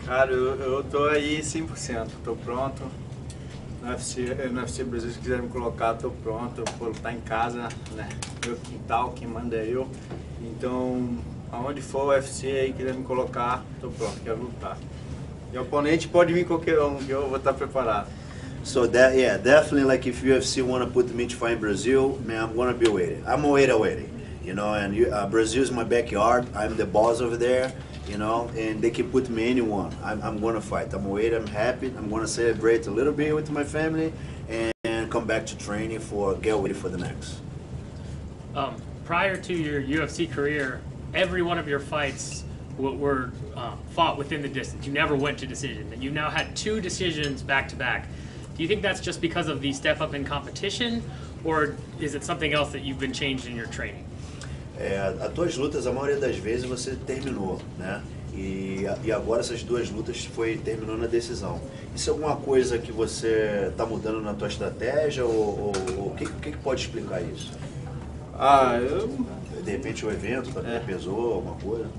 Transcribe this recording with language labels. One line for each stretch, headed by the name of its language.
Portuguese: Cara, eu tô aí 100%. Tô pronto. No UFC Brasil, se quiser me colocar, tô pronto. Vou lutar em casa, né? Meu quintal, quem manda é eu. Então, aonde for o UFC aí, quiser me colocar, tô pronto, quero lutar. E oponente pode vir qualquer um, que eu vou estar preparado.
English: So that, yeah, definitely, like if UFC wanna put me to fight in Brazil, man, I'm gonna be waiting. I'm waiting, waiting. You know, and Brazil is my backyard. I'm the boss over there. You know, and they can put me anyone. I'm gonna fight. I'm waiting. I'm happy. I'm gonna celebrate a little bit with my family, and come back to training for get ready for the next. Prior to your UFC career, every one of your fights were fought within the distance. You never went to decision. And you now had two decisions back to back. Do you think that's just because of the step up in competition, or is it something else that you've been changed in your training?
Portuguese: É, as tuas lutas, a maioria das vezes, você terminou, né? E agora essas duas lutas foi terminou na decisão. Isso é alguma coisa que você está mudando na tua estratégia, ou o que pode explicar isso? Ah, eu... De repente o evento também pesou, alguma coisa?